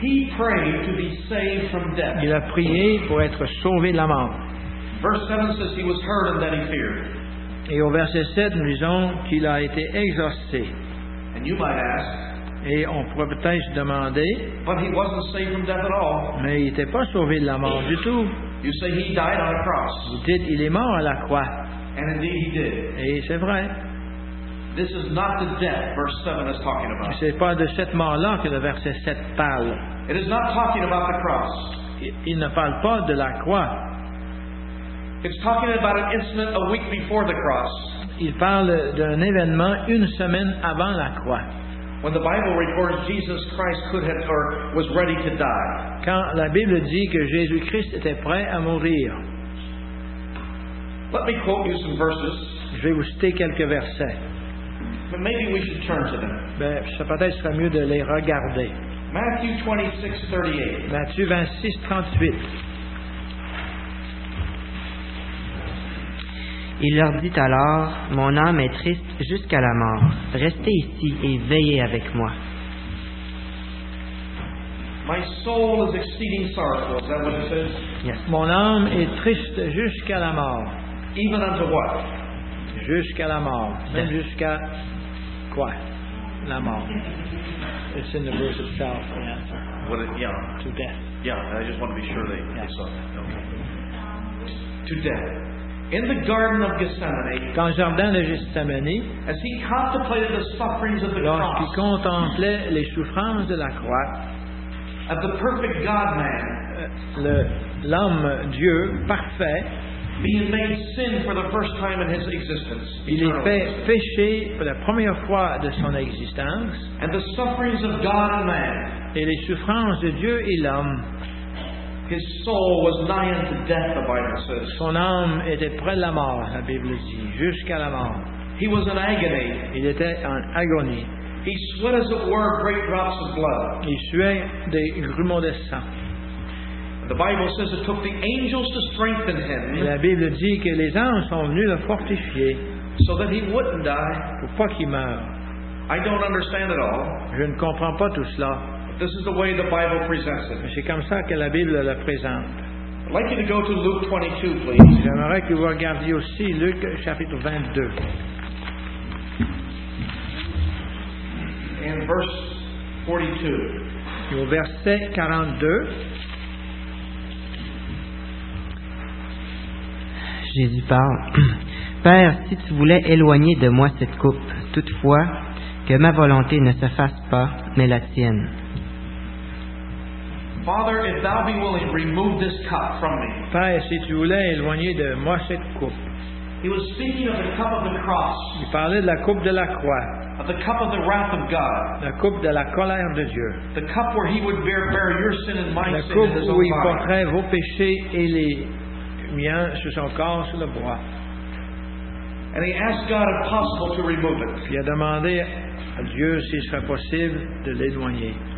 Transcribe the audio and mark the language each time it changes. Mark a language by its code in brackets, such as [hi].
[en] He prayed to be saved from death. [fr] Il a prié pour être sauvé de la mort. [en] Verse 7 says he was heard and that he feared. [fr] Et au verset 7, nous disons qu'il a été exorcé. [en] And you might ask, [fr] et on pourrait peut-être se demander, [en] but he wasn't saved from death at all. [fr] Mais il n'était pas sauvé de la mort du tout. [en] You say he died on a cross. [fr] Vous dites qu'il est mort à la croix. [en] And indeed he did. [fr] Et c'est vrai. [en] This is not the death verse 7 is talking about. [fr] Ce n'est pas de cette mort-là que le verset 7 parle. [en] It is not talking about the cross. [fr] Il ne parle pas de la croix. [en] It's talking about an incident a week before the cross. [fr] Il parle d'un événement une semaine avant la croix. [en] When the Bible records Jesus Christ could have or was ready to die. [fr] Quand la Bible dit que Jésus-Christ était prêt à mourir. [en] Let me quote you some verses. [fr] Je vais vous citer quelques versets. [en] But maybe we should turn to them. [fr] Ben, ça peut-être serait mieux de les regarder. [en] Matthew 26:38. [fr] Matthieu 26:38. Il leur dit alors, « Mon âme est triste jusqu'à la mort. Restez ici et veillez avec moi. » [en] My soul is exceeding sorrowful. Is that what it says? Yes. [fr] Mon âme est triste jusqu'à la mort. [en] Even unto what? [fr] Jusqu'à la mort. [en] Yes. [fr] Même jusqu'à quoi? La mort. [en] It's in the verse itself. Yeah. What it, yeah. To death. Yeah, I just want to be sure they, yeah, they saw that. Okay. To death. In the Garden of Gethsemane, [fr] dans le jardin de Gethsemane, [en] as he contemplated the sufferings of the cross, [fr] lorsqu'il contemplait les souffrances de la croix, [en] at the perfect God-Man, [fr] l'homme Dieu parfait, [en] being made sin for the first time in his existence, [fr] il est fait péché pour la première fois de son existence, [en] and the sufferings of God and man, [fr] et les souffrances de Dieu et l'homme. [en] His soul was nigh unto death, the Bible says. [fr] Son âme était près de la mort, la Bible dit, jusqu'à la mort. [en] He was in agony. [fr] Il était en agonie. [en] He sweat as it were great drops of blood. [fr] Il suait des grumeaux de sang. [en] The Bible says it took the angels to strengthen him. [fr] Et la Bible dit que les anges sont venus le fortifier. [en] So that he wouldn't die. [fr] Pour pas qu'il meure. [en] I don't understand it all. [fr] Je ne comprends pas tout cela. [en] This is the way the Bible presents it. [fr] C'est comme ça que la Bible le présente. [en] I'd like you to go to Luke 22, please. [fr] J'aimerais que vous regardiez aussi Luc chapitre 22. [en] And verse 42. [fr] Et au verset 42. Jésus parle. Père, si tu voulais éloigner de moi cette coupe, toutefois, que ma volonté ne se fasse pas, mais la tienne. [en] Father, if thou be willing, remove this cup from me. [fr] Père, si tu voulais éloigner de moi cette coupe. [en] He was speaking of the cup of the cross. [fr] Il parlait de la coupe de la croix. [en] Of the cup of the wrath of God. [fr] La coupe de la colère de Dieu. [en] The cup where he would bear your sin and my sin. [fr] La coupe où il porterait vos péchés et les miens sur son corps sur le bois. [en] And he asked God if possible to remove it. [fr] Il a demandé à Dieu s'il serait possible de l'éloigner.